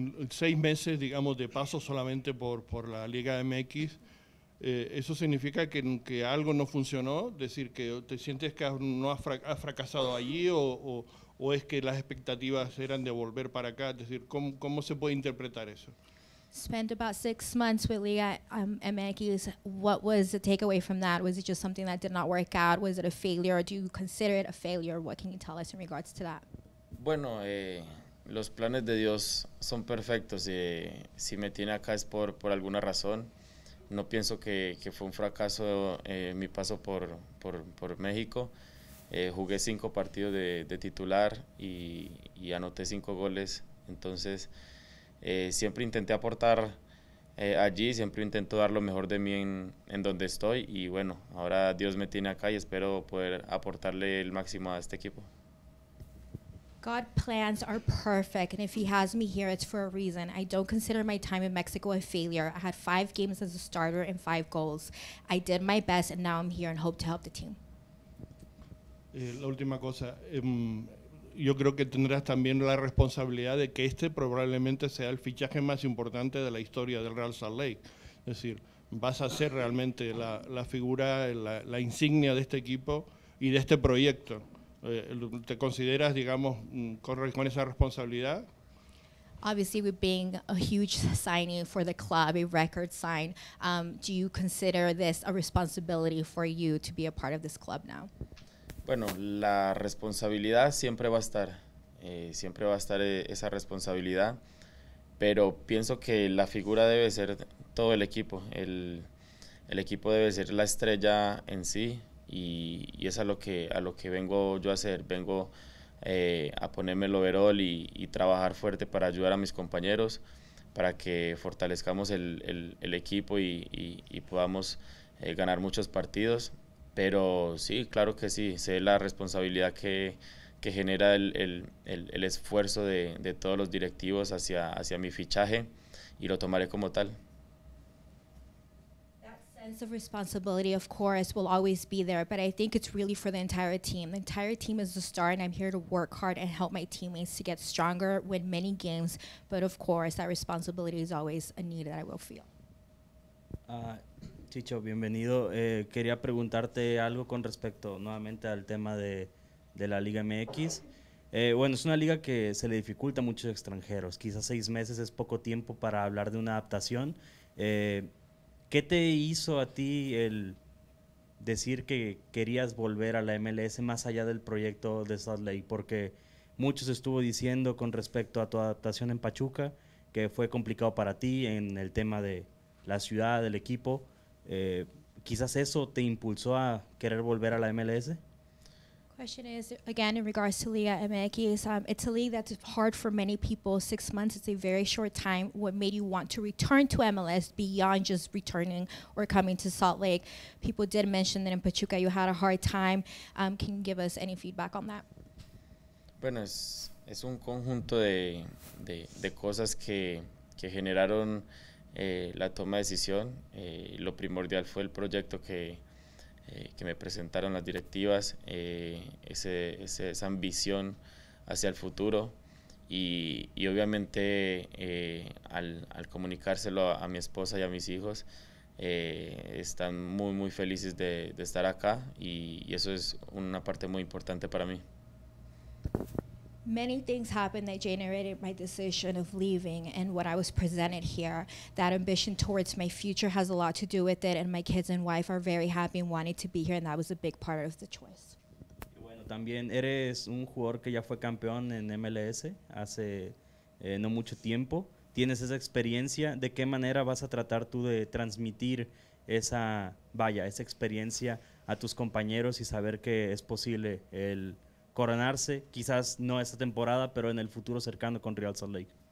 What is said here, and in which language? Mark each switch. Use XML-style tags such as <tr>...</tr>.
<es>Seis meses, digamos, de paso solamente por la Liga MX. Eso significa que algo no funcionó. Decir que te sientes que has fracasado allí o ¿O es que las expectativas eran de volver para acá? Es decir, ¿cómo se puede interpretar eso?</es> <en>Spent about 6 months with Liga MX. What was the takeaway from that? Was it just something that did not work out? Was it a failure? Do you consider it a failure? What can you tell us in regards to that?</en> <es>Bueno, los planes de Dios son perfectos. Si me tiene acá es por alguna razón. No pienso que fue un fracaso mi paso por México. Jugué 5 partidos de titular y anoté 5 goles. Entonces, siempre intenté aportar allí, siempre intento dar lo mejor de mí en donde estoy. Y bueno, ahora Dios me tiene acá y espero poder aportarle el máximo a este equipo.</es> <en>God's plans are perfect, and if he has me here, it's for a reason. I don't consider my time in Mexico a failure. I had 5 games as a starter and 5 goals. I did my best, and now I'm here and hope to help the team.</en> <es>La última cosa, yo creo que tendrás también la responsabilidad de que este probablemente sea el fichaje más importante de la historia del Real Salt Lake. Es decir, vas a ser realmente la figura, la insignia de este equipo y de este proyecto. ¿Te consideras, digamos, con esa responsabilidad?</es> <en>Obviously, with being a huge signing for the club, a record sign, do you consider this a responsibility for you to be a part of this club now?</en> <es>Bueno, la responsabilidad siempre va a estar, siempre va a estar esa responsabilidad, pero pienso que la figura debe ser todo el equipo, el equipo debe ser la estrella en sí y es a lo que vengo yo a hacer, vengo a ponerme el overall y trabajar fuerte para ayudar a mis compañeros, para que fortalezcamos el equipo y podamos ganar muchos partidos. Pero sí, claro que sí, sé la responsabilidad que genera el esfuerzo de todos los directivos hacia mi fichaje y lo tomaré como tal.</es> <en>Sense of responsibility, of course, will always be there, but I think it's really for the entire team. The entire team is the star, and I'm here to work hard and help my teammates to get stronger, win many games, but of course, that responsibility is always a need that I will feel.</en> <es>Chicho, bienvenido. Quería preguntarte algo con respecto nuevamente al tema de, de la Liga MX. Bueno, es una liga que se le dificulta a muchos extranjeros. Quizás 6 meses es poco tiempo para hablar de una adaptación. ¿Qué te hizo a ti el decir que querías volver a la MLS más allá del proyecto de Salt Lake? Porque muchos estuvo diciendo con respecto a tu adaptación en Pachuca que fue complicado para ti en el tema de la ciudad, del equipo. ¿Quizás eso te impulsó a querer volver a la MLS?</es> <en>Question is, again, in regards to Liga MX, it's a league that's hard for many people. 6 months is a very short time. What made you want to return to MLS beyond just returning or coming to Salt Lake? People did mention that in Pachuca you had a hard time. Can you give us any feedback on that?</en> <es>Bueno, es un conjunto de cosas que generaron la toma de decisión. Lo primordial fue el proyecto que me presentaron las directivas, esa ambición hacia el futuro y obviamente al comunicárselo a mi esposa y a mis hijos, están muy, muy felices de estar acá y eso es una parte muy importante para mí.</es> <en>Many things happened that generated my decision of leaving and what I was presented here. That ambition towards my future has a lot to do with it, and my kids and wife are very happy and wanted to be here, and that was a big part of the choice.</en> <es>Bueno, también eres un jugador que ya fue campeón en MLS hace no mucho tiempo. Tienes esa experiencia. ¿De qué manera vas a tratar tú de transmitir esa experiencia a tus compañeros y saber que es posible el coronarse, quizás no esta temporada, pero en el futuro cercano con Real Salt Lake?</es>